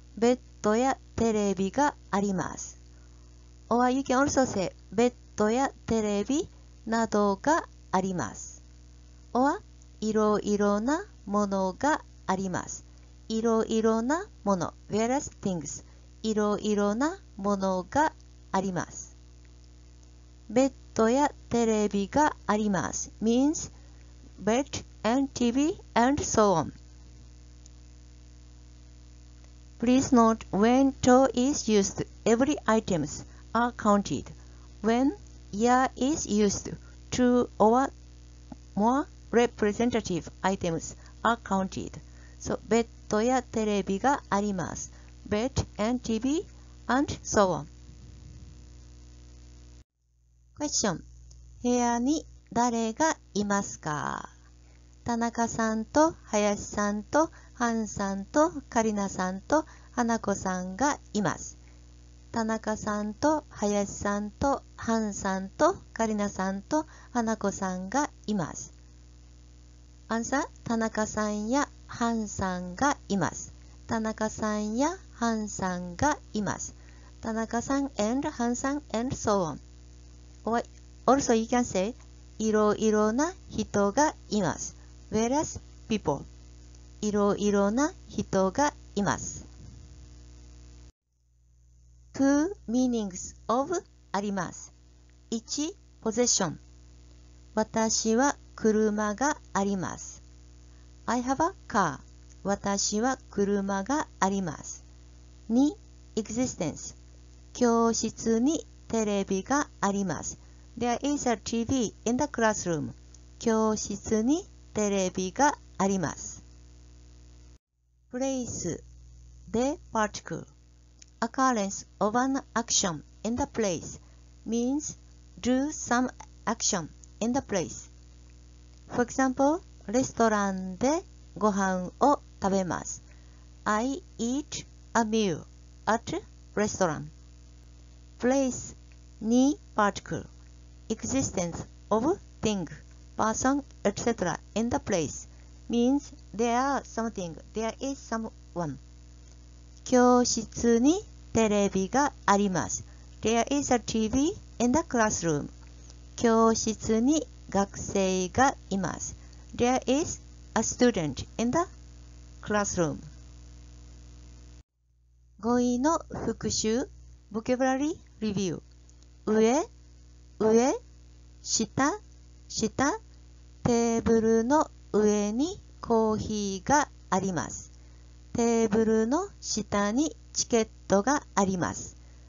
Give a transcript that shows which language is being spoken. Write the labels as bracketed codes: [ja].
[ja] ベッドやテレビがあります。 [en] Or you can also say [ja] ベッドやテレビなどがあります。 Or いろいろなものがあります。いろいろなもの [en] various things [ja] いろいろなものがあります。ベッドやテレビがあります [en] means bed and TV and so on. Please note when to is used. Every items are counted. When ya is used, two or more representative items are counted. [ja] So, ベッドやテレビがあります。 [en] Bed and TV and so on. [ja] Question. 部屋に誰がいますか？田中さんと林さんとハンさんとカリナさんと花子さんがいます。田中さんと林さんとハンさんとカリナさんと花子さんがいます。アンサー、田中さんやハンさんがいます。田中さんやハンさんがいます。田中さん and ハンさん [en] and so on. Or also you can say, [ja] いろいろな人がいます。 [en] Various people. [ja] いろいろな人がいます。 [en] Two meanings of あります。 1、possession. [ja] 私は車があります。 [en] I have a car. [ja] 私は車があります。2、existence. 教室にテレビがあります。 [en] There is a TV in the classroom. [ja] 教室にテレビがあります。 [en] Place, the particle, occurrence of an action in the place means do some action in the place. For example, [ja] レストランでご飯を食べます。 [en] I eat a meal at restaurant. Place に particle, existence of thingperson, etc. in the place means there are something, there is someone. [ja] 教室にテレビがあります。 [en] There is a TV in the classroom. [ja] 教室に学生がいます。 [en] There is a student in the classroom. [ja] 語彙の復習 Vocabulary Review 上、上、下、下、テーブルの上にコーヒーがあります。テーブルの下にチケットがあります。